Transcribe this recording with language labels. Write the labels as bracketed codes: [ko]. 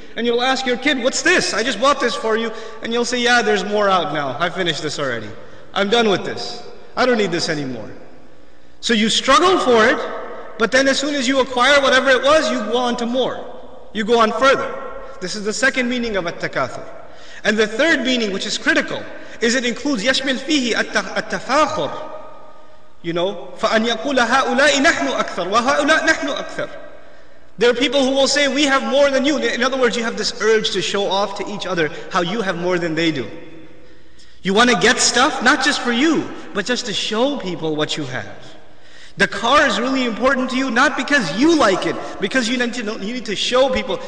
[en] And you'll ask your kid, what's this? I just bought this for you. And you'll say, yeah, there's more out now. I finished this already. I'm done with this. I don't need this anymore. So you struggle for it, but then as soon as you acquire whatever it was, you go on to more. You go on further. This is the second meaning of at-takathur. And the third meaning, which is critical, is it includes yashmil fihi at-tafakhur. You know, [ar] فَأَنْ يَقُولَ هَؤُلَاءِ نَحْنُ أَكْثَرُ وَهَؤُلَاءِ نَحْنُ أَكْثَرُ. [en] There are people who will say, we have more than you. In other words, you have this urge to show off to each other how you have more than they do. You want to get stuff, not just for you, but just to show people what you have. The car is really important to you, not because you like it, because you need to know, you need to show people.